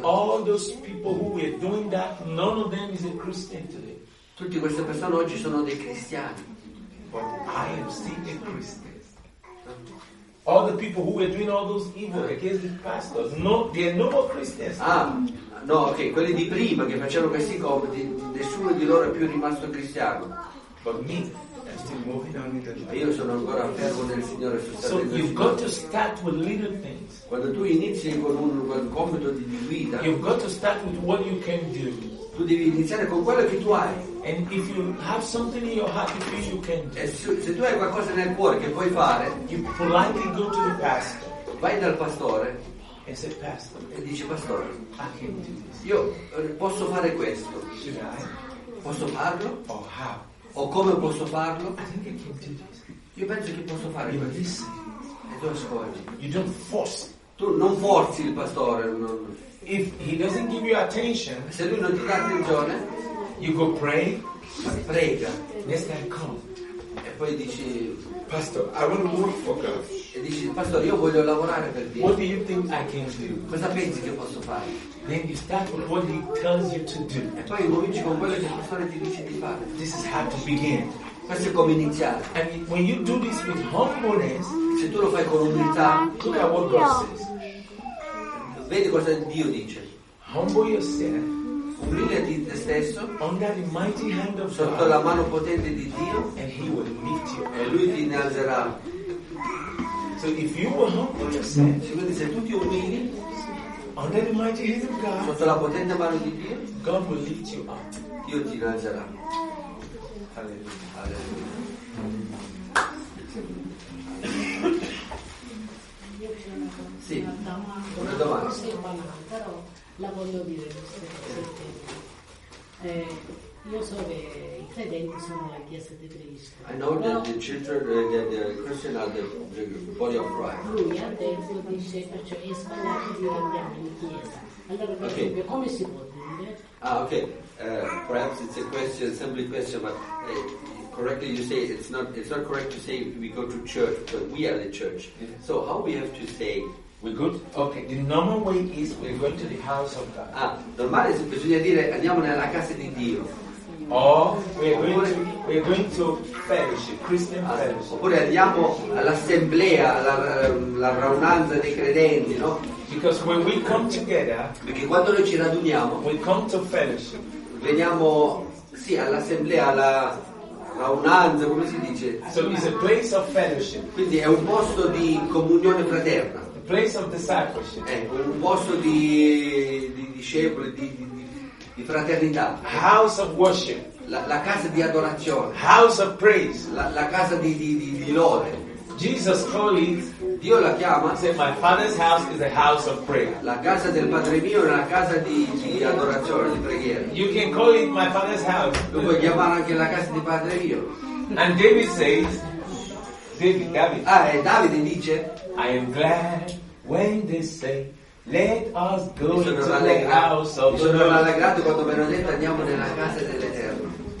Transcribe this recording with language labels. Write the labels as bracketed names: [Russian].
[English] All those people who were doing that, none of them is a Christian today. [Italian] Tutte queste persone oggi sono dei cristiani. [English] But I am still a Christian. All the people who were doing all those evil against the pastors, no, they are no more Christians. [Italian] Ah, no, ok, quelli di prima che facevano questi compiti, nessuno di loro è più rimasto cristiano. [English] But me. Still moving on. [Italian] Io sono ancora fermo nel Signore. [English] So you've got to start with little things. [Italian] Quando tu inizi con un compito di guida, [English] you've got to start with what you can do. [Italian] Tu devi iniziare con quello che tu hai. [English] And if you have something in your heart to do, you can do. [Italian] E se tu hai qualcosa nel cuore che puoi fare, [English] you politely go to the pastor. [Italian] Vai dal pastore. E se pastor. E dice pastore, [English] I can do this. [Italian] Io posso fare questo. [English] Should I? [Italian] Posso farlo? [English] Or how? [Italian] O come posso farlo? [English] I think I can do this. [Italian] Io penso che posso fare [English] you [Italian] questo. E tu ascolti. [English] You don't force. [Italian] Tu non forzi il pastore. Non. [English] If he doesn't give you attention, [Italian] se lui non ti dà attenzione, [English] you go pray. [Italian] Prega. [English] Next time come. [Italian] E poi dici, [English] pastor, I want to work for God. [Italian] E dici, pastore, io voglio lavorare per Dio. [English] What do you think I can do? [Italian] Cosa pensi che posso fare? [English] Then you start with what he tells you to do. [Italian] E poi cominci con quello che il pastore ti dice di fare. [English] This is how to begin. [Italian] Questo è come iniziare. [English] And when you do this with humbleness, [Italian] se tu lo fai con umiltà, [English] look at what God says. [Italian] Vedi cosa Dio dice. [English] Humble yourself. [Italian] Umiliati te stesso [English] under the mighty hand of [Italian] sotto [English] God, [Italian] la mano potente di Dio, [English] and he will lift you. [Italian] E lui ti innalzerà. [English] So if you will humble yourself, [Italian] se quindi se tu ti umili [English] under the mighty hand of God, [Italian] sotto la potente mano di Dio, [English] God will lift you up. [Italian] Dio ti innalzerà. Alleluia. Alleluia. Sì, una domanda. la voglio dire questa. Io so che i credenti sono la chiesa di Cristo. [English] I know that the children, the Christian are the body of Christ. [Italian] Lui ha detto di sé, perciò è sbagliato di andare in chiesa. Allora, per esempio, come si può dire? Ah, okay. [English] Perhaps it's a question, simply question, but correctly you say it's not correct to say we go to church, but we are the church. Yeah. So how we have to say we're good? Okay. The normal way is we're going to the house of God. [Italian] Ah, normale si bisogna dire andiamo nella casa di Dio. [English] Or we're going to fellowship, Christian fellowship. [Italian] Oppure andiamo all'assemblea, alla raunanza dei credenti, no? [English] Because when we come together, [Italian] perché quando noi ci raduniamo, [English] we come to fellowship. [Italian] Veniamo sì all'assemblea, alla raunanza, come si dice? [English] So it's a place of fellowship. [Italian] Quindi è un posto di comunione fraterna. [English] A place of discipleship. [Italian] È un posto di discepoli, di fraternità. [English] House of worship. [Italian] La casa di adorazione. [English] House of praise. [Italian] La casa di lode. [English] Jesus called it. [Italian] Dio la chiama. [English] Say my Father's house is a house of prayer. [Italian] La casa del Padre mio è una casa di adorazione, di preghiera. [English] You can call it my Father's house. [Italian] Lo puoi chiamare anche la casa di Padre mio. [English] And David says, David. [Italian] Ah, e Davide dice, [English] I am glad when they say, let us go to the house of prayer. [Italian] Sono rallegrato quando mi hanno detto andiamo nella casa dell'Eterno.